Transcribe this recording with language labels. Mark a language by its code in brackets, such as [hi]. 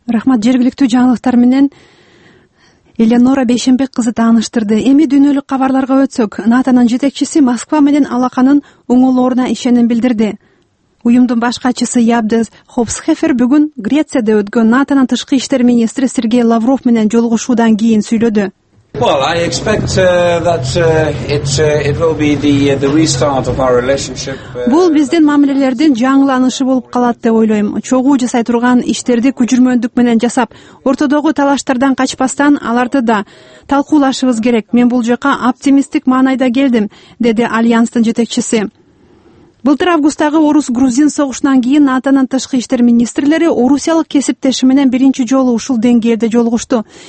[ky] Рахмат, жергиликтүү жаңылыктар менен Эленора Бейшенбек кызы тааныштырды. Эми дүйнөлүк кабарларга өтсөк, НАТОнун жетекчиси Москва менен алаканын оңолоруна ишенин билдирди. Уюмдун баш катчысы Ябдес Хопсхефер бүгүн Грецияда өткөн НАТОнун тышкы иштер министри Сергей Лавров менен жолугушуудан кийин сүйлөдү. [en] Well, I expect that it will be the restart of our relationship. [ky] Бул биздин мамилелердин жаңыланышы болуп калат деп ойлойм. Чогуу жасай турган иштерди күжүрмөндүк менен жасап, ортодогу талаштардан качпастан аларды да талкуулашыбыз керек. Мен бул жака оптимисттик маанайда келдим, деди альянстын жетекчиси. Былтыр августтагы Орус-Грузин согушунан кийин НАТОнун тышкы иштер министрлери орусиялык кесиптеши менен биринчи жолу ушул деңгээлде жолугушту.